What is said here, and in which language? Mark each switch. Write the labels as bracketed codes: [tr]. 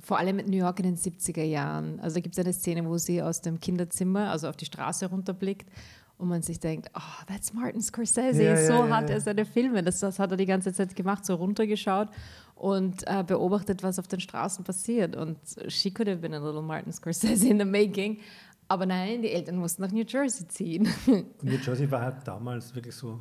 [de] Vor allem mit New York in den 70er Jahren. Also da gibt es eine Szene, wo sie aus dem Kinderzimmer, also auf die Straße runterblickt und man sich denkt, [en] oh, that's Martin Scorsese, [de] er seine Filme. Das hat er die ganze Zeit gemacht, so runtergeschaut und beobachtet, was auf den Straßen passiert. Und [en] she could have been a little Martin Scorsese in the making. [de] Aber nein, die Eltern mussten nach New Jersey ziehen. Und New Jersey war halt damals wirklich so